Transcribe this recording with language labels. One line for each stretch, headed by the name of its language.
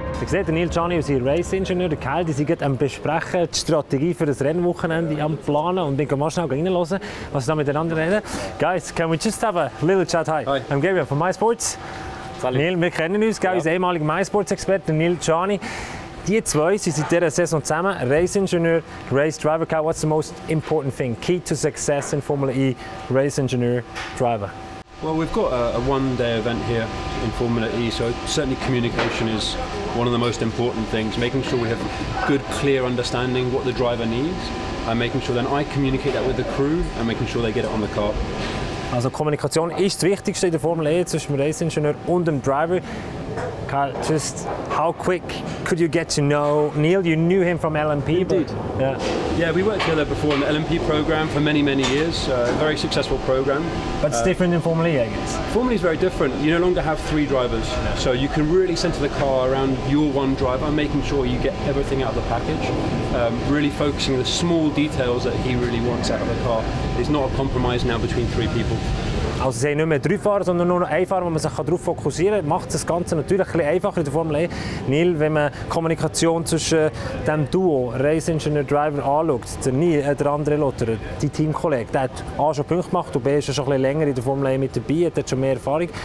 German: Seht, Neil Gianni, unser Race-Ingenieur, der Kyle, die sind am Besprechen, die Strategie für das Rennwochenende am Planen. Und wir gehen mal schnell reinhören, was sie da miteinander reden.
English: Guys, can we just have a little chat? Hi. Hi. I'm Gabriel from MySports.
French: Salut.
German: Neil, wir kennen uns, gell, ja. Unser ehemaliger MySports-Experte, Neil Gianni. Die zwei sind in dieser Saison zusammen, Race-Ingenieur, Race-Driver.
English: Kyle, what's the most important thing, key to success in Formula E, Race-Ingenieur, Driver? Well, we've got a one-day event here in Formula E, so certainly communication is one of the most important things, making sure we have good, clear understanding what the driver needs, and making sure then I communicate that with the crew, and making sure they get it on the car.
German: Also Kommunikation ist das Wichtigste in der Formel E zwischen dem Race-Ingenieur und dem Driver.
English: Kyle, just how quick could you get to know Neil? You knew him from LMP. Indeed. But, yeah. Yeah, we worked together before in the LMP program for many, many years. A very successful program. But it's different in Formula E, I guess. Formula E is very different. You no longer have three drivers. Yeah. So you can really center the car around your one driver, making sure you get everything out of the package. Really focusing on the small details that he really wants out of the car. It's not a compromise now between three people.
German: Also sie haben nicht mehr drei Fahrer, sondern nur noch ein Fahrer, wo man sich darauf fokussieren kann. Macht das Ganze natürlich ein bisschen einfacher in der Formel E. Neil, wenn man Kommunikation zwischen dem Duo, Race-Ingenieur-Driver, anschaut, der Neil, der andere Lotterer, dein Teamkollege, der hat A schon Punkte gemacht und B ist schon ein bisschen länger in der Formel E mit dabei, hat schon mehr Erfahrung.